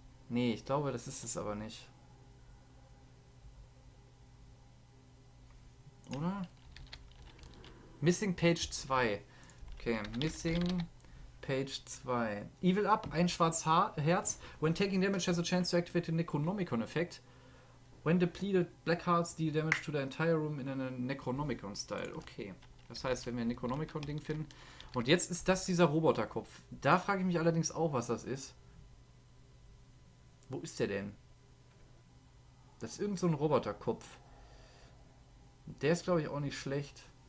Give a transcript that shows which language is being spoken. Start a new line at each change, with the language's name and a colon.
German: Nee, ich glaube, das ist es aber nicht. oder? Missing Page 2. Okay, Missing Page 2. Evil Up, ein schwarzes Herz.
English: When taking damage has a chance to activate the Necronomicon effect. When depleted Black Hearts deal damage to the entire room in a Necronomicon style.
German: Okay, das heißt, wenn wir ein Necronomicon-Ding finden. Und jetzt ist das dieser Roboterkopf. Da frage ich mich allerdings auch, was das ist. Wo ist der denn? Das ist irgend so ein Roboterkopf. Der ist, glaube ich, auch nicht schlecht.